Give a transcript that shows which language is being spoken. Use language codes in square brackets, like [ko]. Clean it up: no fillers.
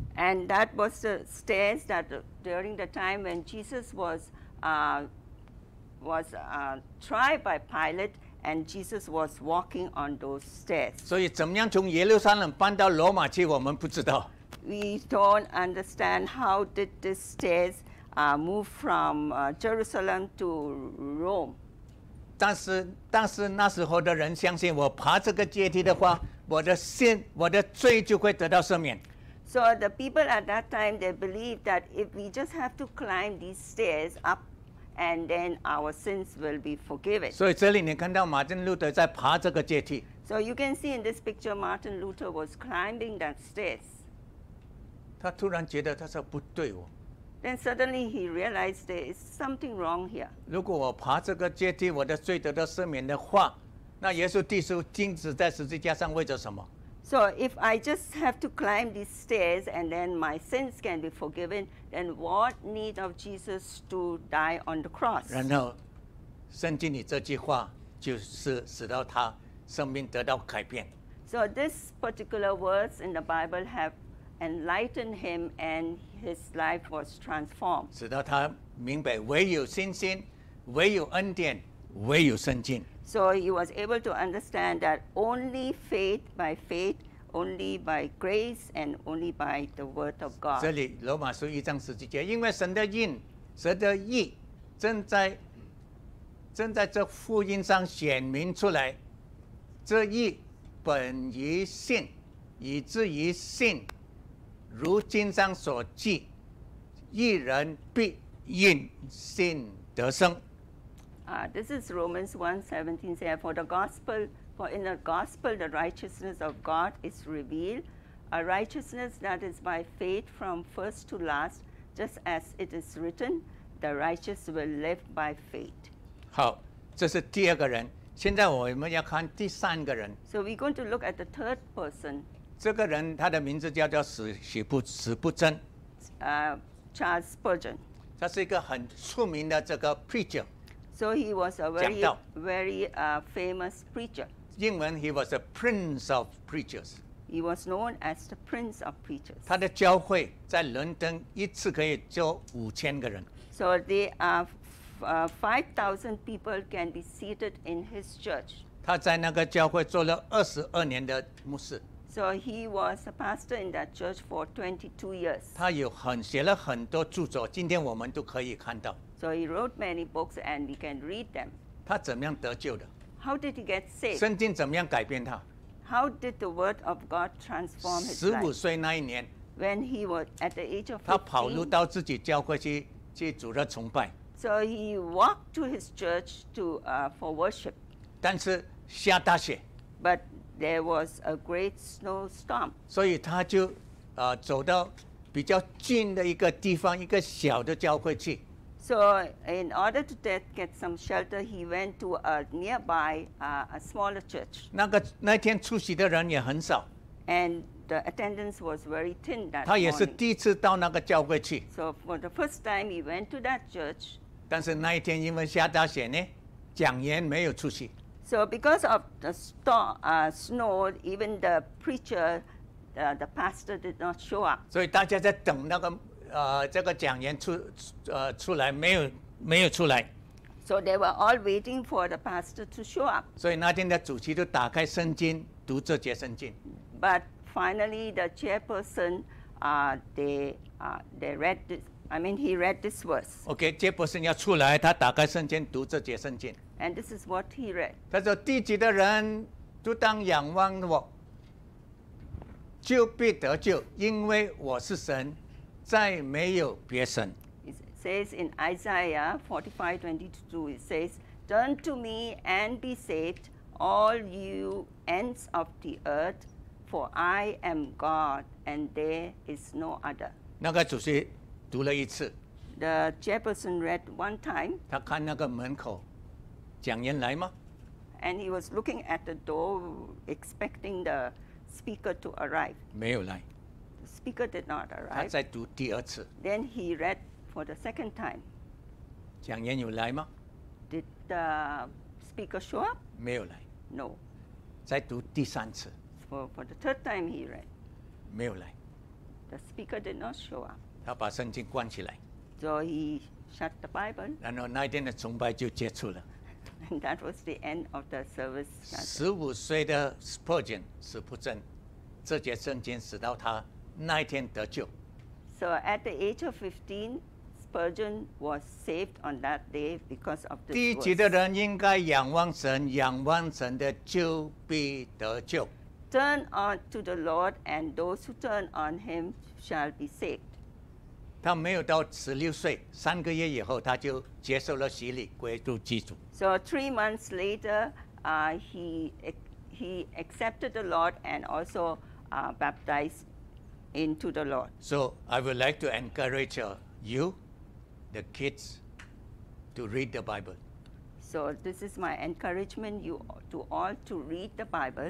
[en] And that was the stairs that during the time when Jesus was tried by Pilate, and Jesus was walking on those stairs. [zh] 所以怎么样从耶路撒冷搬到罗马去，我们不知道。 [en] We don't understand how did the stairs move from Jerusalem to Rome. [zh] 但是那时候的人相信，我爬这个阶梯的话，我的罪就会得到赦免。 [en] So the people at that time, they believed that if we just have to climb these stairs up, and then our sins will be forgiven. [zh] 所以这里你看到马丁路德在爬这个阶梯。 [en] So you can see in this picture, Martin Luther was climbing that stairs. [zh] 他突然觉得他说不对哦。 [en] Then suddenly he realized there is something wrong here. [zh] 如果我爬这个阶梯，我的罪得到赦免的话，那耶稣基督钉死在十字架上为着什么？ [en] So if I just have to climb these stairs and then my sins can be forgiven, then what need of Jesus to die on the cross? [zh] 然后，圣经里这句话就是使到他生命得到改变。 [en] So this particular words in the Bible have enlightened him and his life was transformed. [zh] 使到他明白唯有信心，唯有恩典，唯有圣经。 [en] So he was able to understand that only faith by faith, only by grace, and only by the word of God. [zh] 这里罗马书一章十七节，因为神的印、神的义正在这福音上显明出来，这义本于信，以至于信，如经上所记，一人必因信得生。 [en] This is Romans 1:17 says, For in the gospel the righteousness of God is revealed, a righteousness that is by faith from first to last, just as it is written, the righteous will live by faith. [zh] 好，这是第二个人。现在我们要看第三个人。 [en] So we're going to look at the third person. [zh] 这个人他的名字叫史不真。 [en] Charles Spurgeon. [zh] 他是一个很出名的这个 preacher。 [en] So he was a very famous preacher. [zh] 英文 [en] he was a prince of preachers. He was known as the prince of preachers. [zh] 他的教会在伦敦一次可以坐5000个人。 [en] So there are 5,000 people can be seated in his church. [zh] 他在那个教会做了22年的牧师。 [en] So he was a pastor in that church for 22 years. [zh] 他有写了很多著作，今天我们都可以看到。 [en] So he wrote many books and we can read them. [zh] 他怎么样得救的？ [en] How did he get saved? [zh] 圣经怎么样改变他？ [en] How did the word of God transform his life? [zh] 15岁那一年， [en] when he was at the age of [zh] 15, 他跑路到自己教会去主日崇拜。 [en] So he walked to his church for worship. [zh] 但是下大雪。 [en] But there was a great snowstorm. [zh] 所以他就走到比较近的一个地方，一个小的教会去。 [en] So in order to get some shelter, he went to a nearby, a smaller church. [zh] 那天出席的人也很少。 [en] And the attendance was very thin that morning. [zh] 他也是第一次到那个教会去。 [en] So for the first time, he went to that church. [zh] 但是那一天因为下大雪呢，讲员没有出席。 [en] So because of the storm, snow, even the preacher, the pastor did not show up. [zh] 所以大家在等那个这个讲员出来，没有出来。 [en] So they were all waiting for the pastor to show up. [zh] 所以那天的主席就打开圣经读这节圣经。 [en] But finally, the chairperson, they read this. I mean, he read this verse. [zh] Okay, chairperson 要出来，他打开圣经读这节圣经。 [en] And this is what he read. [zh] 他说：“地极的人就当仰望我，就必得救，因为我是神。” 再没有别神。 [en] It says in Isaiah 45:22, it says, "Turn to me and be saved, all you ends of the earth, for I am God, and there is no other." [zh] 那个主席读了一次。 [en] The chairperson read one time. [zh] 他看那个门口，讲员来吗？ [en] And he was looking at the door, expecting the speaker to arrive. [zh] 没有来。 [en] Speaker did not arrive. [zh] 他再读第二次。 [en] Then he read for the second time. [zh] 讲员有来吗？ [en] Did the speaker show up? [zh] 没有来。 [en] No. [zh] 再读第三次。 [en] For the third time he read. [zh] 没有来。 [en] The speaker did not show up. [zh] 他把圣经关起来。 [en] So he shut the Bible. [zh] 然后那一天的崇拜就结束了。 [en] And that was the end of the service. [zh] 15岁的 Spurgeon 史不真，这节圣经使到他。那一天得救。 [en] So at the age of 15, Spurgeon was saved on that day because of the. [zh] 地极的人应该仰望神，仰望神的就必得救。 [en] Turn on to the Lord, and those who turn on Him shall be saved. [zh] 他没有到16岁，三个月以后他就接受了洗礼，归入基督。 [en] So 3 months later, he accepted the Lord and also baptized into the Lord. So I would like to encourage you, the kids, to read the Bible. So this is my encouragement to all to read the Bible.